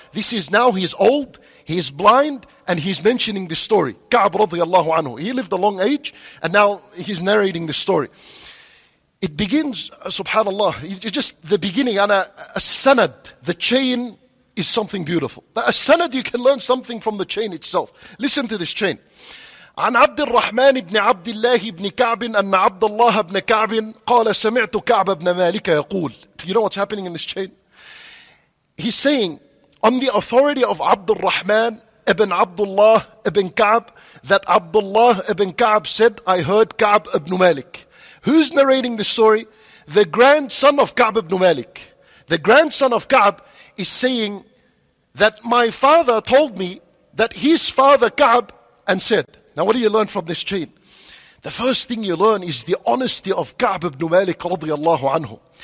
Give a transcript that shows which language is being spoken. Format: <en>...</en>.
<en>This is now he's old, he's blind, and he's mentioning this story. Ka'b radiallahu anhu. He lived a long age, and now he's narrating this story. It begins, subhanallah, it's just the beginning. And a sanad, the chain, is something beautiful. But a sanad, you can learn something from the chain itself. Listen to this chain.</en> <ar>عن عبد الرحمن بن عبد الله بن كعب أن عبد الله بن كعب قال سمعت كعب بن مالك يقول.</ar> <en>You know what's happening in this chain? He's saying, on the authority of عبد الرحمن ابن عبد الله ابن كعب, that عبد الله ابن كعب said, I heard كعب ابن مالك. Who's narrating this story? The grandson of Ka'b ibn Malik. The grandson of Ka'b is saying that my father told me that his father Ka'b and said. Now what do you learn from this chain? The first thing you learn is the honesty of Ka'b ibn Malik radiallahu anhu.</en>